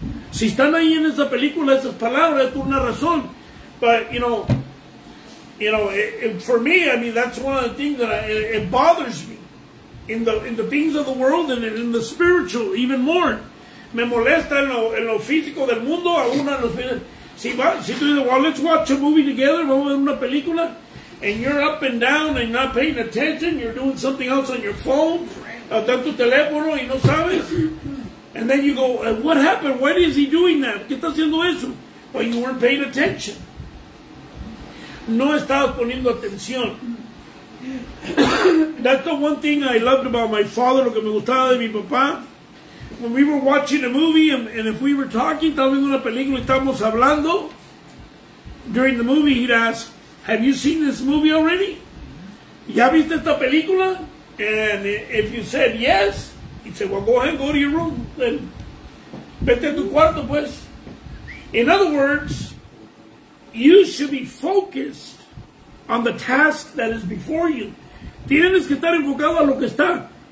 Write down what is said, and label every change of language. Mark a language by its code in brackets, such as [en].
[es] Si están ahí en esa película, esas palabras, es por una razón. [en] But, you know, it, for me, I mean, that's one of the things that it bothers me. In the things of the world and in the spiritual, even more. [es] Me molesta en lo físico del mundo, aún en los físicos. Si tú dices, [en] well, let's watch a movie together, [es] vamos a ver una película. [en] And you're up and down and not paying attention. You're doing something else on your phone. [es] Está tu teléfono y no sabes. [en] And then you go, what happened? Why is he doing that? [es] ¿Qué está haciendo eso? [en] Well, you weren't paying attention. [es] No estabas poniendo atención. [en] That's the one thing I loved about my father, [es] lo que me gustaba de mi papá. [en] When we were watching a movie, and if we were talking, [es] estábamos viendo una película y estábamos hablando, [en] during the movie he'd ask, have you seen this movie already? [es] ¿Ya viste esta película? [en] And if you said yes, he said, well, go ahead and go to your room. Then, [es] vete a tu cuarto, pues. [en] In other words, you should be focused on the task that is before you. [es] Tienes que estar enfocado a lo que está.